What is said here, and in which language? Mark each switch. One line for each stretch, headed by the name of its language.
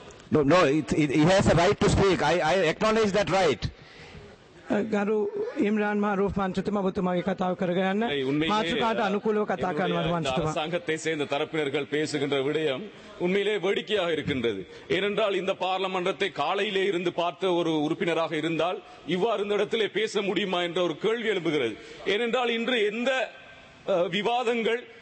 English: No, he has a right to speak. I acknowledge that right.
Sinhala: ගරු ඉම්රාන් මහරුෆ් මන්ත්‍රීතුමා, ඔබතුමාගේ කතාව කරගන්න. මාතෘකාට අනුකූලව කතා කරනවා මන්ත්‍රීතුමා. සංඝත්තේ
Tamil: சேர்ந்த தரப்பினர்கள் பேசுகின்ற விடயம் உண்மையிலே வேடிக்கையாக இருக்கின்றது. ஏனென்றால் இந்த பார்லமெண்டத்தை காலையிலே இருந்து பார்த்த ஒரு உறுப்பினராக இருந்தால் இவ்வாறு இந்த இடத்திலே பேச முடியுமா என்ற ஒரு கேள்வி எழுப்புகிறது. ஏனென்றால் இன்று எந்த விவாதங்கள்,